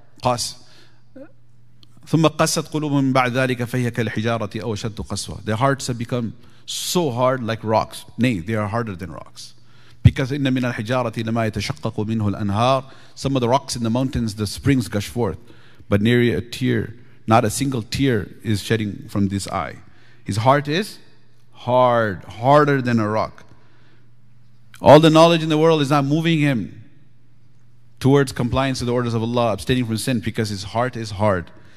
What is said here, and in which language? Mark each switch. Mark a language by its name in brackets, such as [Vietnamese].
[Arabic] قاس ثم قست قلوبهم بعد ذلك فهي كالحجارة أو شد قسوة. [English] Their hearts have become so hard like rocks. Nay, they are harder than rocks. Because [Arabic] إن من الحجارة لما يتشقق منه الأنهار. [English] Some of the rocks in the mountains, the springs gush forth. But nearly a tear, not a single tear is shedding from this eye. His heart is hard, harder than a rock. All the knowledge in the world is not moving him towards compliance to the orders of Allah, abstaining from sin, because his heart is hard.